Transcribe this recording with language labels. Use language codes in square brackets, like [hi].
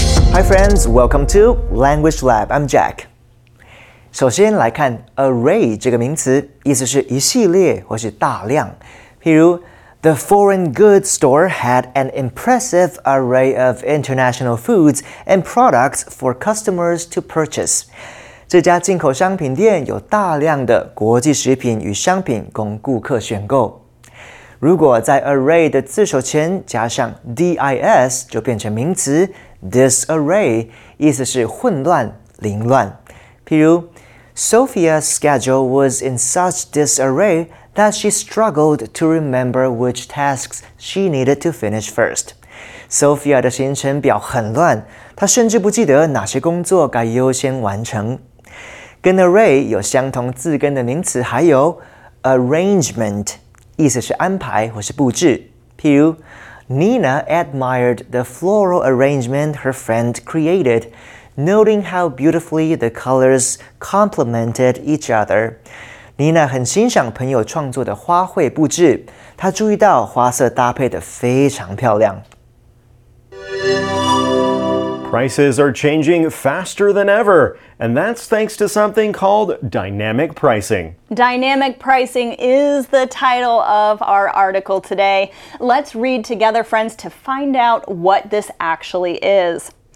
[en] Hi friends, welcome to Language Lab, I'm Jack. [zh] 首先来看 array 这个名词，意思是一系列或是大量。 [en] 譬如 The foreign goods store had an impressive array of international foods and products for customers to purchase. [zh] 这家进口商品店有大量的国际食品与商品供顾客选购。如果在 array 的字首前加上 dis 就变成名词 disarray， 意思是混乱、凌乱。 [en] 譬如 Sophia's schedule was in such disarray that she struggled to remember which tasks she needed to finish first. [zh] Sophia 的行程表很乱，她甚至不记得哪些工作该优先完成。跟 array 有相同字根的名词还有 arrangement，意思是安排或是布置。 [en] 譬如 Nina admired the floral arrangement her friend created, noting how beautifully the colors complemented each other. [zh] Nina 很欣赏朋友创作的花卉布置，她注意到花色搭配得非常漂亮。 [en] Prices are changing faster than ever, and that's thanks to something called dynamic pricing. Dynamic pricing is the title of our article today. Let's read together, friends, to find out what this actually is.